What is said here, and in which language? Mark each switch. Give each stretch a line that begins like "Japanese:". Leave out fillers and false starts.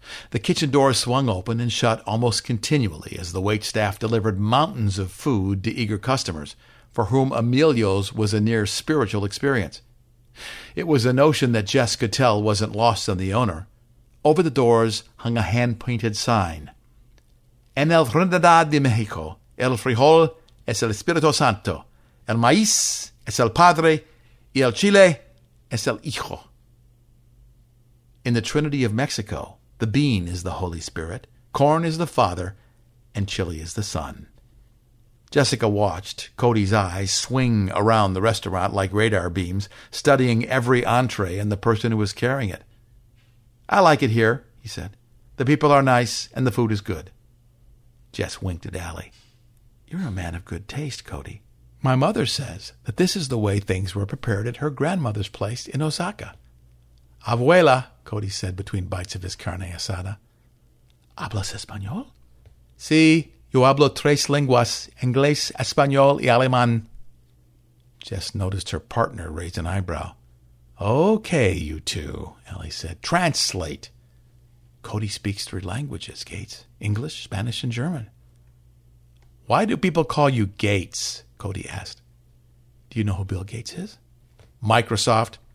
English: The kitchen door swung open and shut almost continually as the waitstaff delivered mountains of food to eager customers, for whom Emilio's was a near spiritual experience. It was a notion that Jess could tell wasn't lost on the owner. Over the doors hung a hand-painted sign.
Spanish: En el Trinidad de México, el frijol es el Espíritu Santo, el maíz es el padre, y el chile es el hijo.
English: In the Trinity of Mexico, the bean is the Holy Spirit, corn is the Father, and chili is the Son. Jessica watched Cody's eyes swing around the restaurant like radar beams, studying every entree and the person who was carrying it. I like it here, he said. The people are nice, and the food is good. Jess winked at Allie. You're a man of good taste, Cody. My mother says that this is the way things were prepared at her grandmother's place in Osaka. Abuela, Cody said between bites of his carne asada.
Spanish: ¿Hablas español? Sí, yo hablo tres lenguas, inglés, español y alemán.
English: Jess noticed her partner raise an eyebrow. Okay, you two, Allie said. Translate. Cody speaks three languages, Gates. English, Spanish, and German. Why do people call you Gates? Cody asked. Do you know who Bill Gates is? Microsoft.